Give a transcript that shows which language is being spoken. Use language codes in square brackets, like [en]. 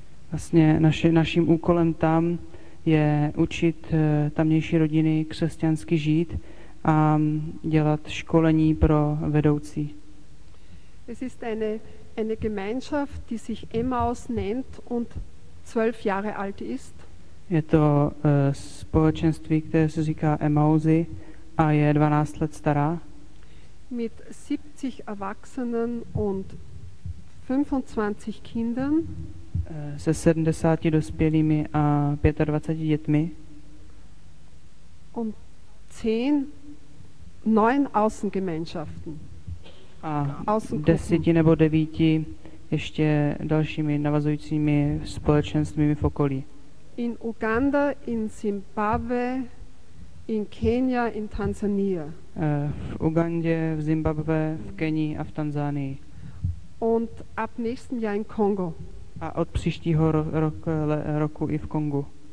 [cs] Vlastně naším úkolem tam je učit tamnější rodiny křesťansky žít a dělat školení pro vedoucí. [de] Es ist eine Gemeinschaft, die sich Emmaus nennt und 12 Jahre alt ist. [cs] Je to společenství, které se říká Emmausy a je 12 let stará. [de] Mit 70 Erwachsenen und 25 Kindern. [cs] Se 70 dospělými a 25 dětmi. [de] Und 10 9 Außengemeinschaften. [cs] A 10 nebo 9 ještě dalšími navazujícími společenstvími v okolí. [de] In Uganda, in Zimbabwe, in Kenya, in Tanzania. [cs] V Ugandě, v Zimbabwe, v Kenii a v Tanzánii. [de] Und ab nächsten Jahr in Kongo. [cs] A od příštího roku i v Kongu.